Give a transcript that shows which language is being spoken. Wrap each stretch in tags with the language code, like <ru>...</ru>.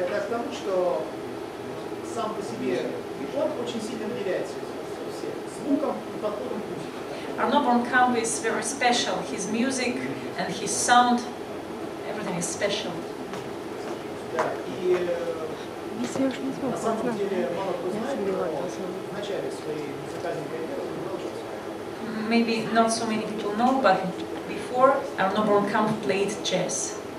<ru>No, сам по себе он очень сильно влияет звуком и подходом к музыке.</ru> <en>Arno Bronkamp is very special. His music and his sound, everything is special.</en> <ru>Да, и на самом деле мало кто знает, но в начале своей музыкальной карьеры он был.</ru> <en>Maybe not so many people know, but before Arno Bronkamp played jazz.</en>